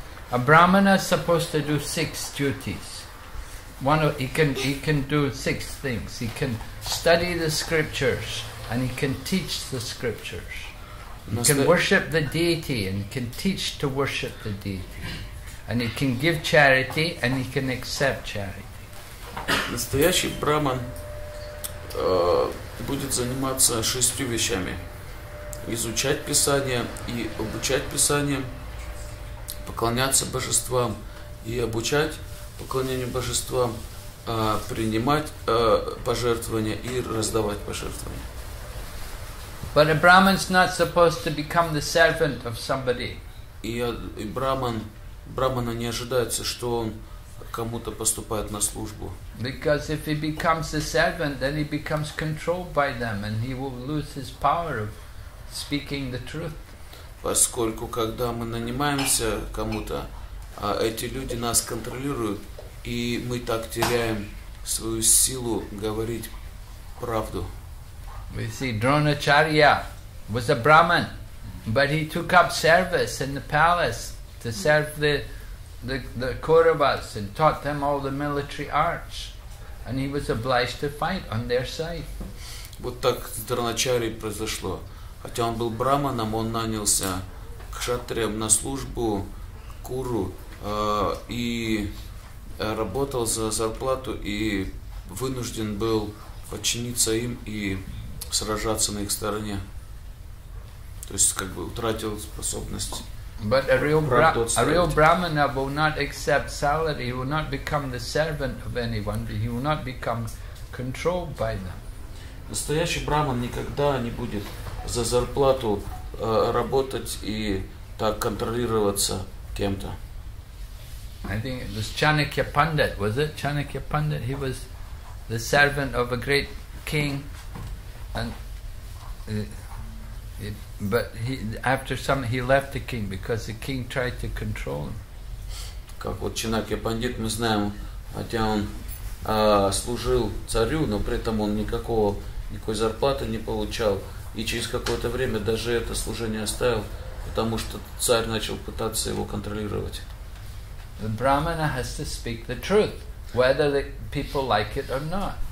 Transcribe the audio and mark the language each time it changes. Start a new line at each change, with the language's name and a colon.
English: A brahmana is supposed to do six duties. He can do six things. He can study the scriptures and he can teach the scriptures. He can worship the deity and he can teach to worship the deity. And he can give charity and he can accept charity.
Russian: Настоящий брахман будет заниматься шестью вещами: изучать Писание и обучать Писание, поклоняться божествам и обучать поклонению божествам, принимать пожертвования и раздавать пожертвования.
English: But a brahman's not supposed to become the servant of somebody.
Russian: И брахмана не ожидается, что он кому-то поступает на службу.
English: Because if he becomes a servant, then he becomes controlled by them, and he will lose his power of speaking the truth.
Russian: Поскольку, когда мы нанимаемся кому-то, эти люди нас контролируют, и мы так теряем свою силу говорить правду.
English: We see Dronacharya was a Brahman, but he took up service in the palace to serve the Kauravas and taught them all the military arts, and he was obliged to fight on their side.
Russian: Вот так с Дроначарьей произошло. Хотя он был брахманом, он нанялся к кшатриям на службу, к куру, и работал за зарплату, и вынужден был подчиниться им и сражаться на их стороне. То есть, как бы, утратил способность.
English: A real brahmana will not accept salary, he will not become the servant of anyone, he will not become controlled by them.
Russian: Настоящий браман никогда не будет за зарплату работать и так контролироваться кем-то.
English: I think it was Chanakya Pandit, was it? Chanakya Pandit, he was the servant of a great king, and he left the king because the king tried to control him.
Russian: Как вот Чанакья Пандит, мы знаем, хотя он служил царю, но при этом он никакой зарплаты не получал, и через какое-то время даже это служение оставил, потому что царь начал пытаться его контролировать.
English: The brahmana has to speak the truth, whether the people like it or not.